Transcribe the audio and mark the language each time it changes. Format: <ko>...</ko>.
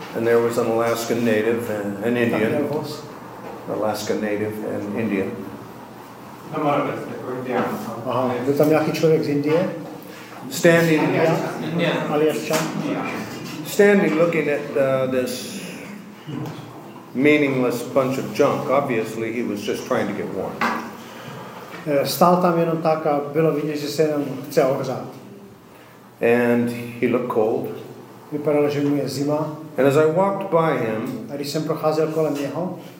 <en>And there was an Alaskan native and an Indian. Alaskan native and Indian.</en> <cs>Aha, byl tam nějaký člověk z Indie.</cs> <en>Standing,</en> <cs>Aliaschan.</cs> <en>Standing, looking at this meaningless bunch of junk. Obviously, he was just trying to get warm.</en> <cs>Stál tam jenom tak a bylo vidět, že se jenom chce ohřát.</cs> <en>And he looked cold.</en> <cs>Vypadalo, že mu je zima.</cs> <en>And as I walked by him,</en> <cs>a když jsem procházel kolem něho,</cs>